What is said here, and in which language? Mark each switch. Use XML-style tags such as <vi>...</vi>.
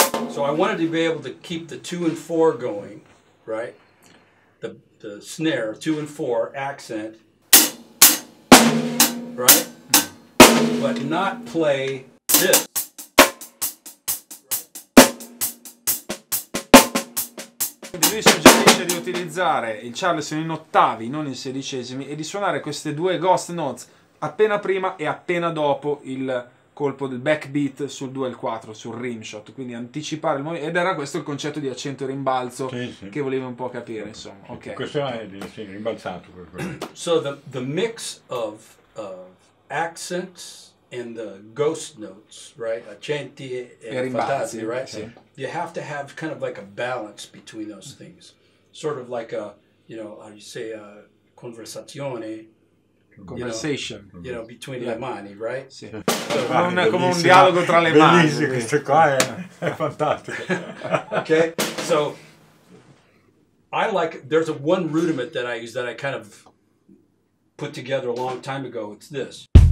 <en>So I wanted to be able to keep the two and four going. Right, the snare, two and four, accent, right, but not play this.</en> <it>Quindi lui suggerisce di utilizzare il Charleston in ottavi, non in sedicesimi, e di suonare queste due ghost notes appena prima e appena dopo il colpo del backbeat sul 2 e il 4, sul rimshot, quindi anticipare il movimento, ed era questo il concetto di accento e rimbalzo, sì, sì, che volevo un po' capire, insomma. Sì, okay. Questo è rimbalzato.</it> <en>So the mix of accents and the ghost notes, right,</en> <it>accenti e rimbalzi, fantasi,</it> <en>right,</en> <it>sì.</it> <en>You have to have kind of like a balance between those things, sort of like a, you know, how you say, a</en> <it>conversazione,</it> <en>conversation, you know, between</en> <it>le mani,</it> <en>right?</en> <it>Sì. Non è come un dialogo tra le mani. Bellissimo, questo qua è fantastico.</it> <en>Okay, so I like, there's a one rudiment that I use that I kind of put together a long time ago. It's this.</en>